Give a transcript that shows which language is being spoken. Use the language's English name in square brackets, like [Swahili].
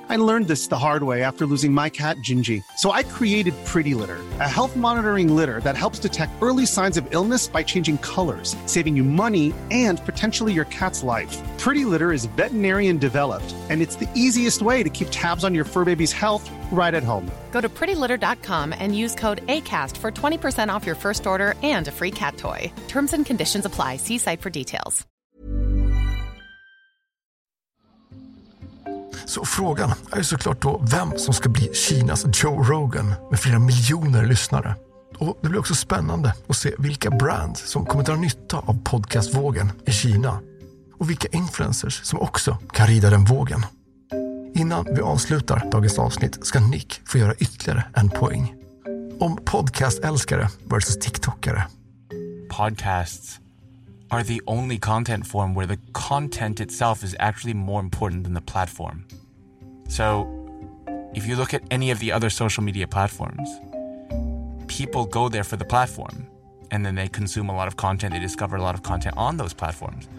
[English] I learned this the hard way after losing my cat, Gingy. So I created Pretty Litter, a health monitoring litter that helps detect early signs of illness by changing colors, saving you money and potentially your cat's life. Pretty Litter is veterinarian developed, and it's the easiest way to keep tabs on your fur baby's health right at home. Go to prettylitter.com and use code ACAST for 20% off your first order and a free cat toy. Terms and conditions apply. See site for details. [Swedish] Så frågan är ju såklart då vem som ska bli Kinas Joe Rogan med flera miljoner lyssnare. Och det blir också spännande att se vilka brands som kommer dra nytta av podcastvågen i Kina. Och vilka influencers som också kan rida den vågen. Innan vi avslutar dagens avsnitt ska Nick få göra ytterligare en poäng. Om podcastälskare versus TikTokare. [English] Podcasts are the only content form where the content itself is actually more important than the platform. So, if you look at any of the other social media platforms, people go there for the platform, and then they consume a lot of content, they discover a lot of content on those platforms.